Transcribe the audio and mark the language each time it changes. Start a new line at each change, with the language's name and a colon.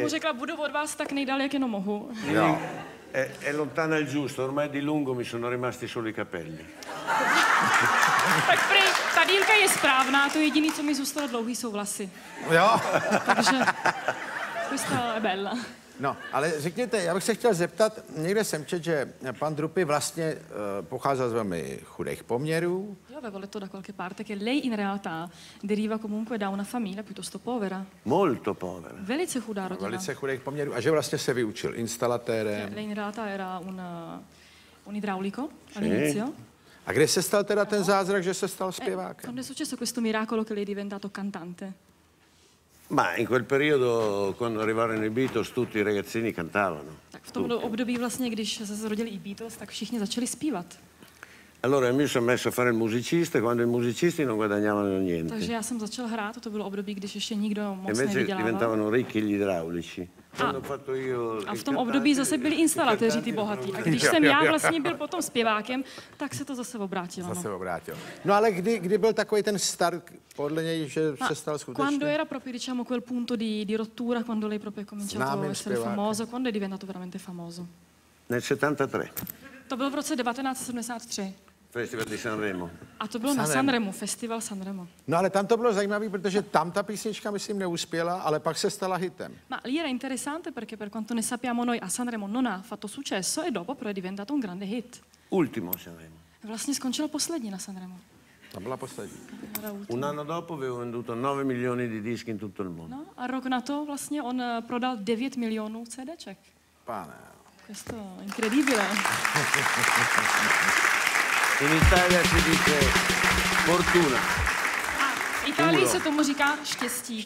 Czech: Mu řekla, budu od vás tak nejdál, jak jenom mohu. No.
Italian: È lontana il giusto, ormai di lungo mi sono rimasti solo i capelli.
Czech: Tak prý, ta dílka je správná, to jediné, co mi zůstalo dlouhý, jsou vlasy. Jo. Takže, to je bella. No, ale řekněte, já bych se chtěl zeptat, někde jsem čet, že pan Drupy vlastně pocházel z velmi chudých poměrů.
Italian: Jo, ve voleto da qualche parte, che lei in realtà deriva comunque da una famiglia piuttosto povera. Molto povera.
Czech: Velice chudá rodina. Velice chudých poměrů. A že vlastně se vyučil instalatérem.
Italian: Lei in realtà era un idraulico all'inizio.
Czech: A kde se stal teda ten zázrak, že se stal zpěvákem?
Italian: Quando è successo questo miracolo che lei è diventato cantante? Ma in quel periodo, quando arrivarono i Beatles, tutti i ragazzini cantavano.
Czech: Tak v tom období vlastně, když se zrodili i Beatles, tak všichni začali zpívat.
Italian: Allora mi sono messo a fare il musicista, quando i musicisti non guadagnavano niente.
Czech: Takže já jsem začal hrát, to bylo období, když ještě nikdo moc nevydělával.
Italian: Invece diventavano ricchi gli idraulici.
Czech: A v tom období zase byli instalatéři ty bohatí. A když jsem já vlastně byl potom zpěvákem, tak se to zase obrátilo. Zase obrátilo. No ale kdy byl takový ten start podle něj, že se stal skutečně?
Italian: Quando era proprio diciamo quel punto di rottura, quando lei proprio cominciato a essere famoso, quando è diventato veramente famoso? Nel 73.
Czech: To bylo v roce 1973.
Italian: Festival di Sanremo.
Czech: A to bylo Sanremo. Na Sanremo, Festival Sanremo. No ale tam to bylo zajímavé, protože tam ta písnička, myslím, neuspěla, ale pak se stala hitem.
Italian: Ma lì era interessante perché per quanto ne sappiamo noi a Sanremo non ha fatto successo e dopo però è diventato un grande hit. Ultimo Sanremo.
Czech: Vlastně skončilo poslední na Sanremo. Tam byla poslední.
Italian: Un anno dopo avevo venduto 9 milioni di dischi in tutto il mondo.
Czech: No a rok na to vlastně on prodal 9 milionů CDček. Pane.
Italian: Questo è incredibile. In Italia si dice fortuna.
Czech: A Itálii se tomu říká štěstí.